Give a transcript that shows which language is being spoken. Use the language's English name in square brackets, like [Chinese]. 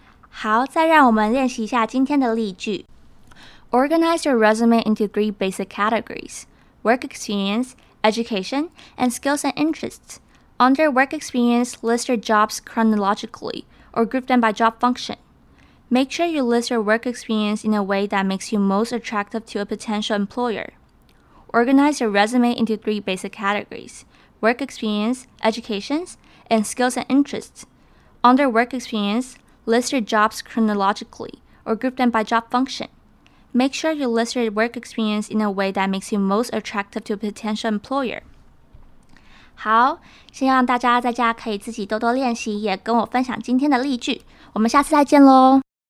[Chinese] 好，再让我们练习一下今天的例句。 [English] Organize your resume into three basic categories: work experienceEducation, and skills and interests. Under work experience, list your jobs chronologically or group them by job function. Make sure you list your work experience in a way that makes you most attractive to a potential employer. Organize your resume into three basic categories: work experience, education, and skills and interests. Under work experience, list your jobs chronologically or group them by job function. Make sure you list your work experience in a way that makes you most attractive to a potential employer. [Chinese] 好，先让大家在家可以自己多多练习，也跟我分享今天的例句。我们下次再见咯。